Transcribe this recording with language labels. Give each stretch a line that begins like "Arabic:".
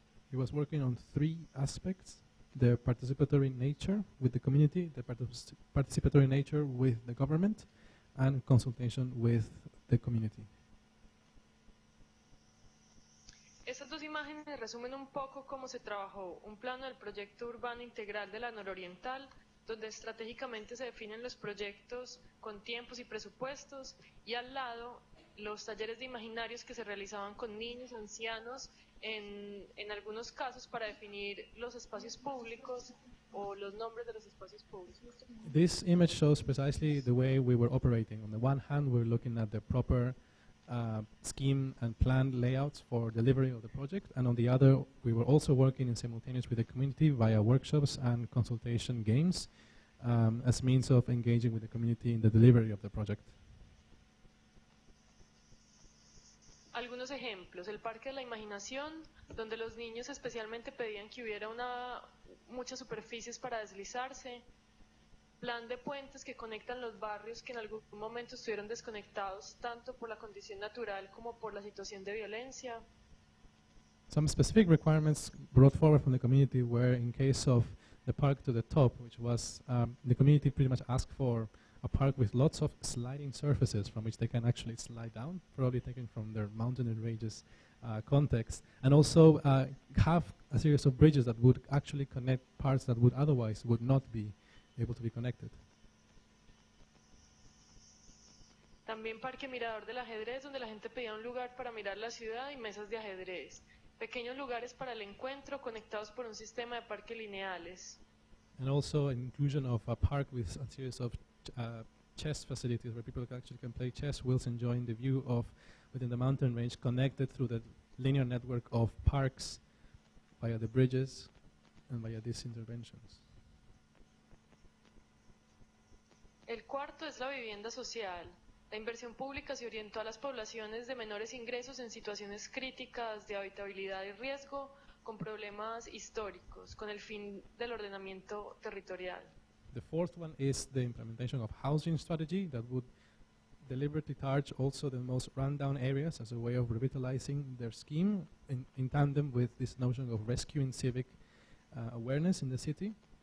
English: It was working on three aspects: the participatory nature with the community, the participatory nature with the government, and consultation with the community.
Spanish: Estas dos imágenes resumen un poco cómo se trabajó un plano del proyecto urbano integral de la nororiental, donde estratégicamente se definen los proyectos con tiempos y presupuestos, y al lado los talleres de imaginarios que se realizaban con niños, ancianos, en algunos casos para definir los espacios públicos o los nombres de los espacios públicos.
English: This image shows precisely the way we were operating. On the one hand, we were looking at the proper scheme and plan layouts for delivery of the project, and on the other we were also working in simultaneous with the community via workshops and consultation games as means of engaging with the community in the delivery of the project.
Spanish: Algunos ejemplos: el parque de la imaginación, donde los niños especialmente pedían que hubiera muchas superficies para deslizarse. Plan de puentes que conectan los barrios que en algún momento estuvieron desconectados tanto por la condición natural como por la situación de violencia.
English: Some specific requirements brought forward from the community were in case of the park to the top, which was the community pretty much asked for a park with lots of sliding surfaces from which they can actually slide down, probably taken from their mountain and ranges context, and also have a series of bridges that would actually connect parts that would otherwise would not be able to be connected.
Spanish: También Parque Mirador del Ajedrez, donde la gente pedía un lugar para mirar la ciudad y mesas de ajedrez. Pequeños lugares para el encuentro conectados por un sistema de parque lineales.
English: And also inclusion of a park with a series of chess facilities where people actually can play chess whilst enjoying the view of within the mountain range, connected through the linear network of parks via the bridges and via these interventions.
Spanish: El cuarto es la vivienda social. La inversión pública se orientó a las poblaciones de menores ingresos en situaciones críticas de habitabilidad y riesgo con problemas históricos, con el fin del ordenamiento territorial.
English: The fourth one is the implementation of housing strategy that would deliberately target also the most rundown areas as a way of revitalizing their scheme in tandem with this notion of rescuing civic awareness in the city.